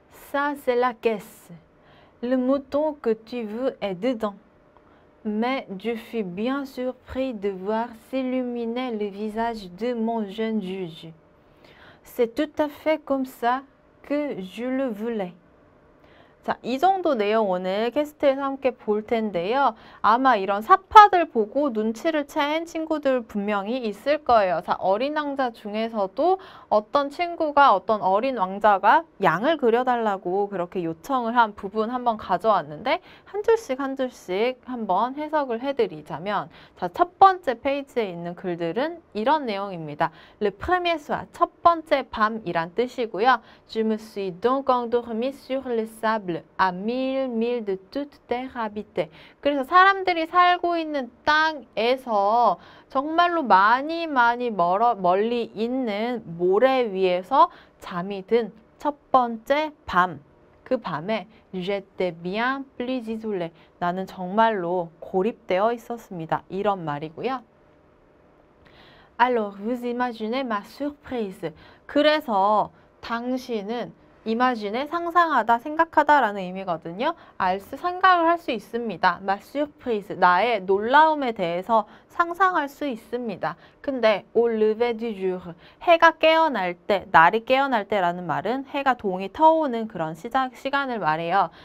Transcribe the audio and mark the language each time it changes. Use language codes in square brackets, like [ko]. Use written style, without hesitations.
[fr] Ça, c'est la caisse. Le mouton que tu veux est dedans. Mais je fus bien surpris de voir s'illuminer le visage de mon jeune juge. C'est tout à fait comme ça que je le voulais. [ko] 자, 이 정도 내용 오늘 퀘스트에서 함께 볼 텐데요. 아마 이런 삽화들 보고 눈치를 챈 친구들 분명히 있을 거예요. 자, 어린 왕자 중에서도 어떤 친구가 어떤 어린 왕자가 양을 그려달라고 그렇게 요청을 한 부분 한번 가져왔는데 한 줄씩 한 줄씩 한번 해석을 해드리자면 자, 첫 번째 페이지에 있는 글들은 이런 내용입니다. Le premier soir, 첫 번째 밤이란 뜻이고요. [fr] Je me suis donc endormie sur le sable. À 1000 milles de toute terre habitée. [ko] 그래서 사람들이 살고 있는 땅에서 정말로 많이 많이 멀리 있는 모래 위에서 잠이 든첫 번째 밤. [fr] 그 밤에 J'étais bien plus isolé. [ko] 나는 정말로 고립되어 있었습니다. 이런 말이고요. [fr] Alors, vous imaginez ma surprise. [ko] 그래서 당신은 Imagine, 상상하다, 생각하다라는 의미거든요. 알 수, 생각을 할수 있습니다. Ma surprise, 나의 놀라움에 대해서 상상할 수 있습니다. 근데 au lever du jour, 해가 깨어날 때, 날이 깨어날 때라는 말은 해가 동이 터오는 그런 시간을 말해요.